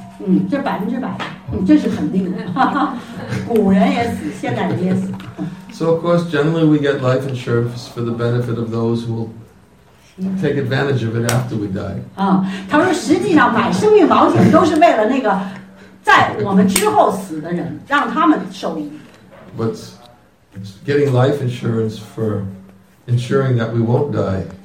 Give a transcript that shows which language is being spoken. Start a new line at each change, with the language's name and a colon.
Chinese: 嗯，这百分之百，嗯，这是肯定的。古人也死，现代人也死。
English: So of course, generally we get life insurance for the benefit of those who will. Take advantage of it after we die.
Chinese: 他说实际上买生命保险都是为了那个在我们之后死的人，让他们受益。
English: But getting life insurance for ensuring that we won't die.